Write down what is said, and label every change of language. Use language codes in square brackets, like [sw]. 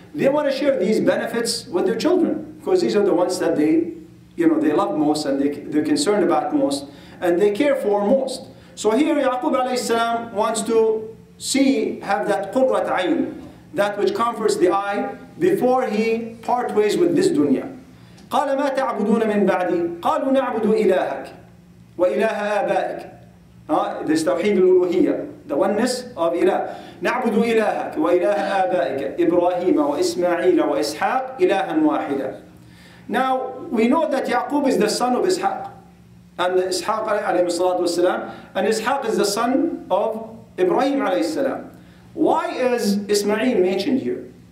[en] They want to share these benefits with their children because these are the ones that they, you know, they love most and they're concerned about most and they care for most. So here Yaqub alayhi salam wants to see, have that qurrat ayn, that which comforts the eye before he part ways with this dunya. [ar] قَالَ مَا تَعْبُدُونَ مِنْ بَعْدِي قَالُوا نَعْبُدُ إِلَهَكَ وَإِلَهَ آبَائِكَ [en] This tawheed al-uluhiyya. The oneness of [ar] إله نعبد إلهك وإله آبائك إبراهيم وإسماعيل وإسحاق إلها واحدا [en] Now we know that Yaqub is the son of Ishaq and Ishaq [ar] عليه الصلاة والسلام [en] and Ishaq is the son of Ibrahim [ar] عليه السلام [en] Why is إسماعيل mentioned here?